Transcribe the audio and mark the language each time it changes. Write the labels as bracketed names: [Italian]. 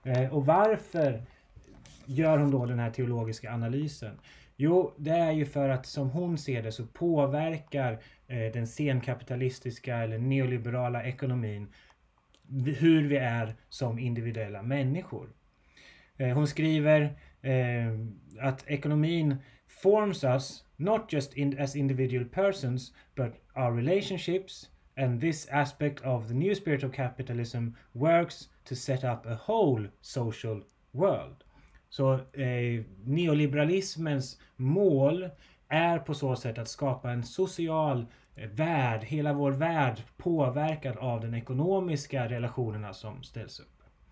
[Swedish] Och varför gör hon då den här teologiska analysen? Jo, det är ju för att som hon ser det så påverkar den senkapitalistiska eller neoliberala ekonomin hur vi är som individuella människor. Hon skriver att ekonomin [English] forms us not just as individual persons, but our relationships, and this aspect of the new spirit of capitalism works to set up a whole social world. [Swedish] Så neoliberalismens mål är på så sätt att skapa en social värld, hela vår värld påverkad av den ekonomiska relationerna som ställs upp.